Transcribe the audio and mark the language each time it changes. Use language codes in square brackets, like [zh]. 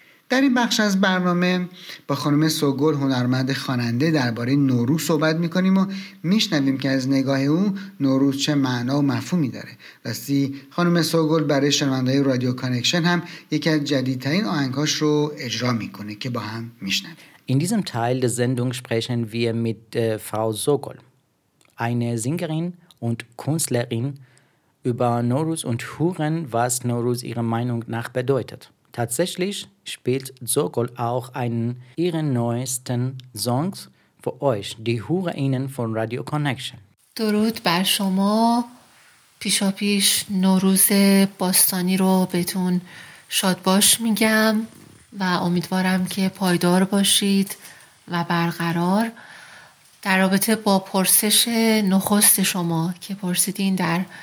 [fa] در این بخش از برنامه با خانم سوگل هنرمند خواننده درباره نوروز صحبت می‌کنیم و می‌شنویم که از نگاه او نوروز چه معنا و مفهومی داره. راستی خانم سوگل برای شنونده‌های رادیو کانکشن هم یکی از جدیدترین آهنگاش رو اجرا می‌کنه که با هم می‌شنویم. [de] In diesem Teil der Sendung sprechen wir mit Frau Sogol, eine Sängerin und Künstlerin, über Nowruz und Huren, was Nowruz ihrer Meinung nach bedeutet. Tatsächlich spielt Sokol auch einen ihren neuesten Songs für euch, die Hörerinnen von Radio Connection. [fa] درود بر شما، پیشاپیش نوروز باستانی رو بهتون شاد باش میگم و امیدوارم که پایدار باشید و برقرار. در رابطه با پرسش نخست شما که پرسیدین در